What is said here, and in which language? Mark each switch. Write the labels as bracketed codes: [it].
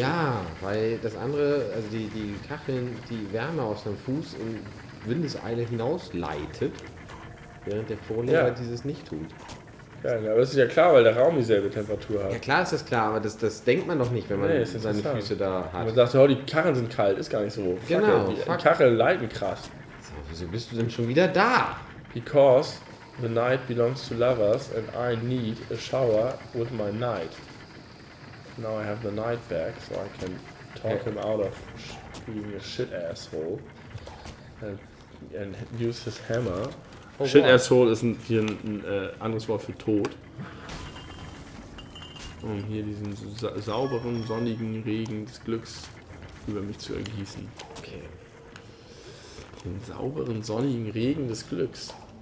[de] Ja, weil das andere, also die Kacheln, die Wärme aus deinem Fuß in Windeseile hinausleitet. Während der Vorleger dieses nicht tut. Ja, aber das ist ja klar, weil der Raum dieselbe Temperatur hat. Ja klar ist das klar, aber das denkt man doch nicht, wenn man seine Füße da hat. Und man sagt, oh, die Karren sind kalt, ist gar nicht so. Genau. Die Kacheln leiden krass. So, wieso bist du denn schon wieder da? [en] Because the night belongs to lovers and I need a shower with my knight. Now I have the knight back, so I can talk him out of being a shit asshole and use his hammer. [de] Oh, [en] shit asshole [de] ist hier ein anderes Wort für tot. Um hier diesen sauberen, sonnigen Regen des Glücks über mich zu ergießen. Okay. Den sauberen, sonnigen Regen des Glücks.